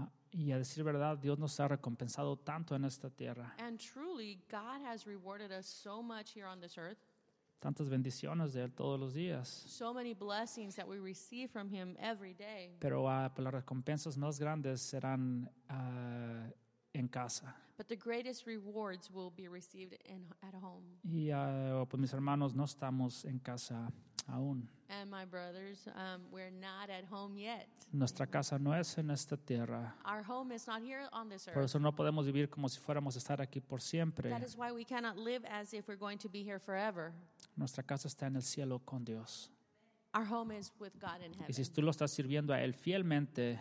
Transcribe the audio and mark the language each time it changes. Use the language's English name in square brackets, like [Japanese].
[Spanish] Y a decir verdad, Dios nos ha recompensado tanto en esta tierra. [English] And truly, God has rewarded us so much here on this earth. [Spanish] Tantas bendiciones de él todos los días. [English] So many blessings that we receive from him every day. [Spanish] Pero las recompensas más grandes serán en casa. [English] But the greatest rewards will be received at home. [Spanish] Y pues mis hermanos, no estamos en casa aún. [English] And my brothers, we're not at home yet. [Spanish] Nuestra casa no es en esta tierra. [English] Our home is not here on this earth. [Spanish] Por eso no podemos vivir como si fuéramos a estar aquí por siempre. [English] That is why we cannot live as if we're going to be here forever. [Spanish] Nuestra casa está en el cielo con Dios. [English] Our home is with God in heaven. [Spanish] Y si tú lo estás sirviendo a él fielmente,